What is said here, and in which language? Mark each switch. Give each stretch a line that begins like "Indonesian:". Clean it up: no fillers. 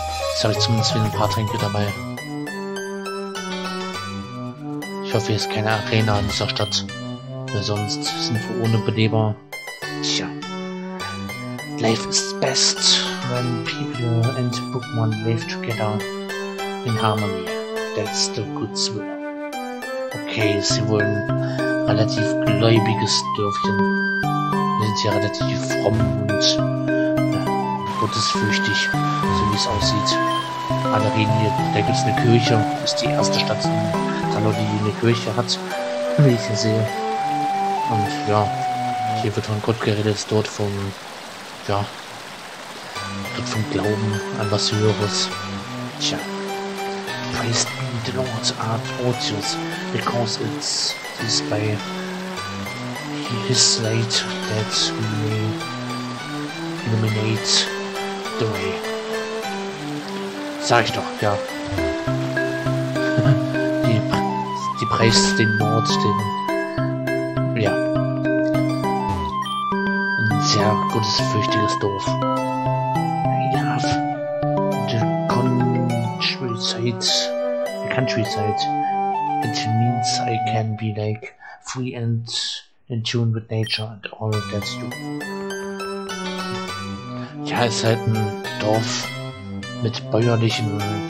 German: Jetzt habe ich zumindest wieder ein paar Tränke dabei. Ich hoffe, hier ist keine Arena in dieser Stadt. Sonst sind wir ohne Beleber. Tja.
English: Life is best when people and Pokémon live together in harmony. That's the good swim.
German: Okay, sie wollen relativ gläubiges Dörfchen. Wir sind hier relativ fromm und gottesfürchtig, so wie es aussieht. Alle reden hier, da gibt es eine Kirche. Das ist die erste Stadt in Talor, die eine Kirche hat, wie ich hier sehe. Und ja, hier wird von Gott geredet, dort vom, ja, dort vom Glauben an was Höheres. Tja.
English: Praise be the Lord Art Otius, because it is by his light that we may illuminate the way.
German: Sag ich doch, ja. die preist den Lord, den. Ja, gottesfürchtiges Dorf.
English: I love the countryside. The countryside. It means I can be like free and in tune with nature and all that you.
German: Ja, es ist halt ein Dorf mit bäuerlichen.